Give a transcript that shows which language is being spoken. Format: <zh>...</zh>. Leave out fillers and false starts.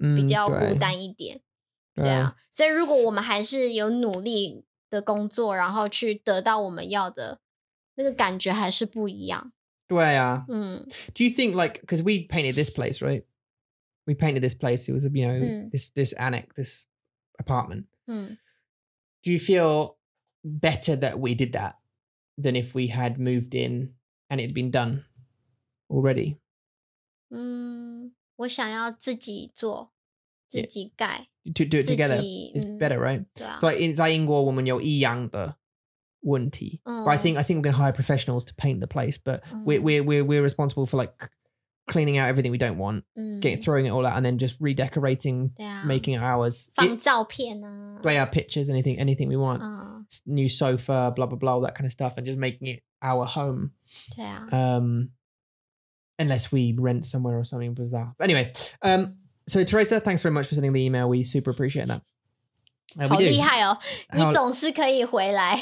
<zh>比较孤单一点，对啊。所以如果我们还是有努力的工作，然后去得到我们要的，那个感觉还是不一样。对啊，</zh> <en>Do you think, like, because we painted this place, right? we painted this place. It was, you know, this annex, this apartment. Do you feel better that we did that than if we had moved in and it had been done already?</en> <zh>我想要自己做，自己盖。</zh> <en>To do it together, it's better, right? So like,</en> <zh>在英国我们有一样的问题。</zh> <en>But I think we're going to hire professionals to paint the place, but we're responsible for like cleaning out everything we don't want, throwing it all out, and then just redecorating, making it ours.</en> <zh>放照片啊。</zh> <en>Play our pictures, anything we want. New sofa, blah, blah, blah, all that kind of stuff, and just making it our home.</en> <zh>对啊。</zh> <en>Unless we rent somewhere or something bizarre. But anyway, so Teresa, thanks very much for sending the email. We super appreciate that.</en> <zh>好厉害哦，你总是可以回来。</zh>